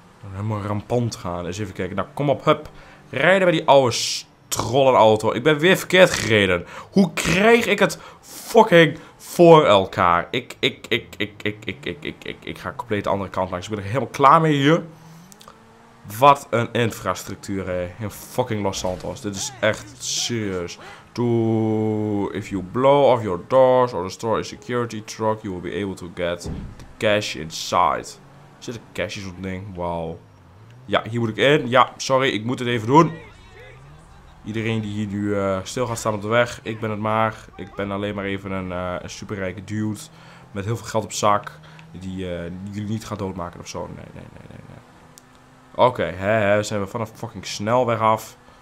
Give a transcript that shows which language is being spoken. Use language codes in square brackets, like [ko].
[nl] Helemaal rampant gaan. Eens even kijken. Nou, kom op, hup. Rijden bij die oude trollenauto. Ik ben weer verkeerd gereden. Hoe krijg ik het fucking voor elkaar? Ik ga compleet de andere kant langs. Ik ben er helemaal klaar mee hier. Wat een infrastructuur, hè. In fucking Los Santos. Dit is echt serieus. [en] To if you blow off your doors or destroy a security truck, you will be able to get the cash inside. [nl] Zit er cash in zo'n ding? Wauw. Ja, hier moet ik in. Ja, sorry, ik moet het even doen. Iedereen die hier nu stil gaat staan op de weg, ik ben het maar. Ik ben alleen maar even een superrijke dude met heel veel geld op zak. Die jullie niet gaat doodmaken of zo. Nee. Oké, zijn we vanaf fucking snelweg af.